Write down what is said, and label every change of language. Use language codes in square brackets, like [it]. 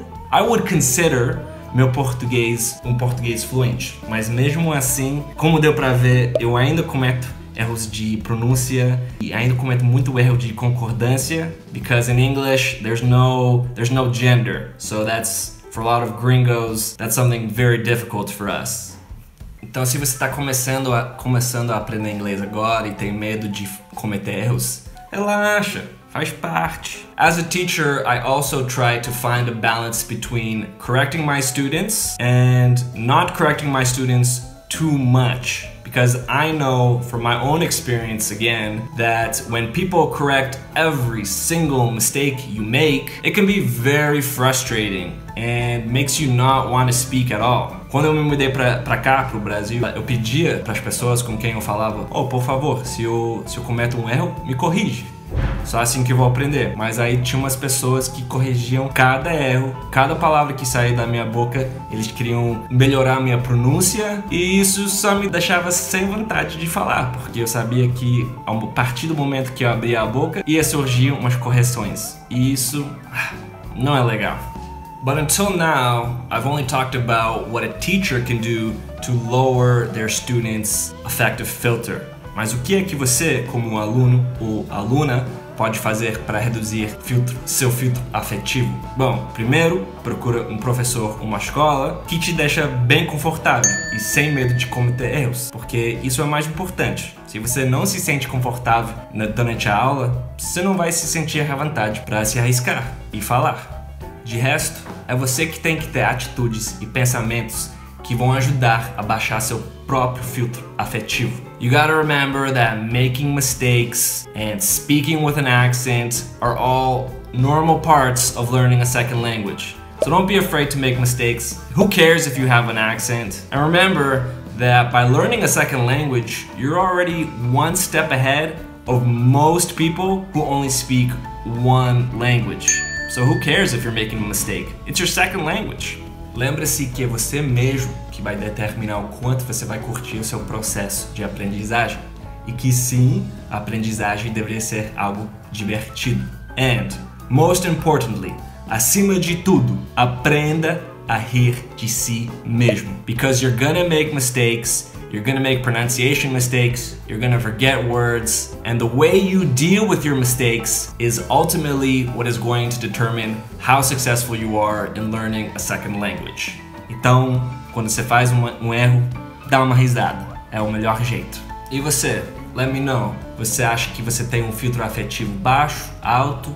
[en] I would consider [pt] meu português português fluente. Mas mesmo assim, como deu pra ver, eu ainda cometo erros de pronúncia e ainda cometo muito erro de concordância. [en] Because in English, there's no gender. So that's, for a lot of gringos, that's something very difficult for us. [pt] Então se você tá começando a aprender inglês agora e tem medo de cometer erros, relaxa. Faz parte. [en] As a teacher, I also try to find a balance between correcting my students and not correcting my students too much. Because I know from my own experience again that when people correct every single mistake you make, it can be very frustrating and makes you not want to speak at all. [pt] Quando eu me mudei pra cá, pro Brasil, eu pedia pras pessoas com quem eu falava, oh, por favor, se eu cometo erro, me corrige. Só assim que eu vou aprender. Mas aí tinha umas pessoas que corrigiam cada erro, cada palavra que saía da minha boca. Eles queriam melhorar a minha pronúncia e isso só me deixava sem vontade de falar, porque eu sabia que a partir do momento que eu abria a boca ia surgir umas correções. E isso não é legal. [en] But until now, I've only talked about what a teacher can do to lower their students' affective filter. [pt] Mas o que é que você, como aluno ou aluna, pode fazer para reduzir seu filtro afetivo? Bom, primeiro, procura um professor ou uma escola que te deixa bem confortável e sem medo de cometer erros, porque isso é mais importante. Se você não se sente confortável durante a aula, você não vai se sentir à vontade para se arriscar e falar. De resto, é você que tem que ter atitudes e pensamentos que vão ajudar a baixar seu próprio filtro afetivo. [en] You gotta remember that making mistakes and speaking with an accent are all normal parts of learning a second language. So don't be afraid to make mistakes. Who cares if you have an accent? And remember that by learning a second language, you're already one step ahead of most people who only speak one language. So who cares if you're making a mistake? It's your second language. [pt] Lembre-se que é você mesmo que vai determinar o quanto você vai curtir o seu processo de aprendizagem. E que sim, a aprendizagem deveria ser algo divertido. [en] And, most importantly, [pt] acima de tudo, aprenda a rir de si mesmo. [en] Because you're gonna make mistakes, you're gonna make pronunciation mistakes, you're gonna forget words, and the way you deal with your mistakes is ultimately what is going to determine how successful you are in learning a second language. [pt] Então, quando você faz um erro, dá uma risada. É o melhor jeito. E você, [en] Let me know. [pt] Você acha que você tem um filtro afetivo baixo, alto?